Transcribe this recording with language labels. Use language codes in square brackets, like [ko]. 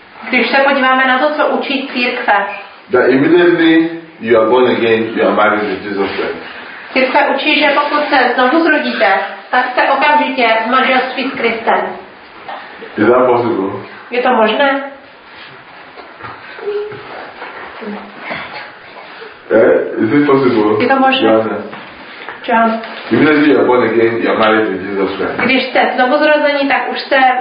[cs] Když se podíváme na to, co učí církve. [en] That immediately you are born again, you are married with Jesus Christ. [cs] Církve učí, že pokud se znovu zrodíte, tak jste okamžitě v manželství s Kristem. [en] Is that possible? [cs] Je to možné? [en] Is it possible? [cs] Je to možné? [en] Immediately you are born again, you are married with Jesus Christ. [cs] Když jste znovu zrození, tak už jste